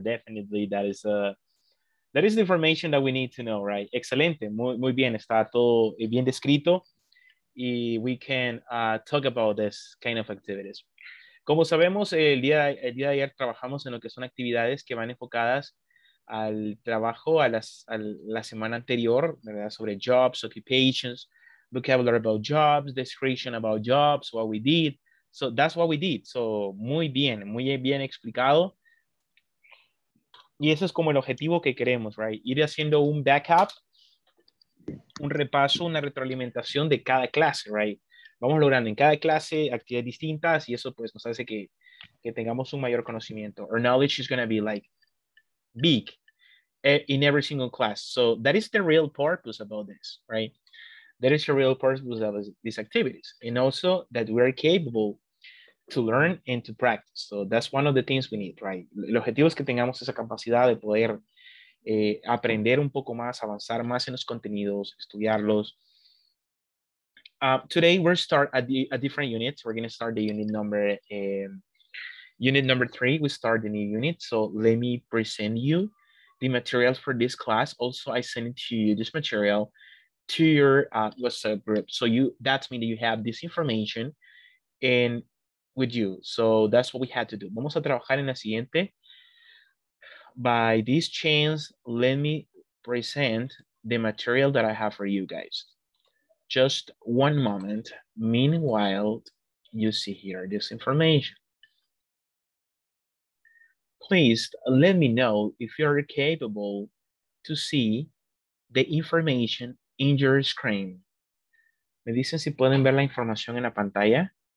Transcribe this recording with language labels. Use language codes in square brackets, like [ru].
[en] Definitely, that is the information that we need to know, right? [es] Excelente. Muy, muy bien. Está todo bien descrito. Y [en] we can talk about this kind of activities. [es] Como sabemos, el día de ayer trabajamos en lo que son actividades que van enfocadas al trabajo, a la semana anterior, ¿verdad? Sobre [en] jobs, occupations, vocabulary about jobs, description about jobs, what we did. So that's what we did. So [es] muy bien explicado. Y eso es como el objetivo que queremos, right? Ir haciendo un backup, un repaso, una retroalimentación de cada clase, right? Vamos logrando en cada clase actividades distintas y eso pues nos hace que tengamos un mayor conocimiento. [en] Our knowledge is going to be like big in every single class. So that is the real purpose about this, right? That is the real purpose of these activities. And also that we are capable to learn and to practice. So that's one of the things we need, right? [es] El objetivo es que tengamos esa capacidad de poder aprender un poco más, avanzar más en los contenidos, estudiarlos. [en] Today we'll start a different unit. We're going to start the unit number three. We start the new unit. So let me present you the materials for this class. Also, I send it to you this material to your WhatsApp group. So you, that's mean that you have this information and with you. So that's what we had to do. [es] Vamos a trabajar en la siguiente. [en] By this chance, let me present the material that I have for you guys. Just one moment. Meanwhile, you see here this information. Please let me know if you are capable to see the information in your screen. [es] Me dicen si pueden ver la información en la pantalla.